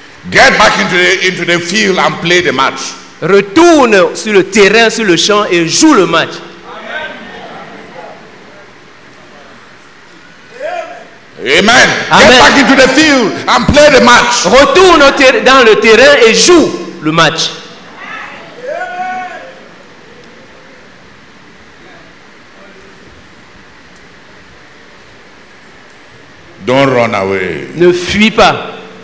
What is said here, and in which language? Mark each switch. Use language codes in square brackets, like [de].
[en] Get back into the field and play the match. [fr] Retourne sur le terrain, sur le champ et joue le match. Amen. Amen. [en] Get back into the field and play the match. [fr] Retourne dans le terrain et joue le match. [en] Don't run away. [fr] Ne fuis pas.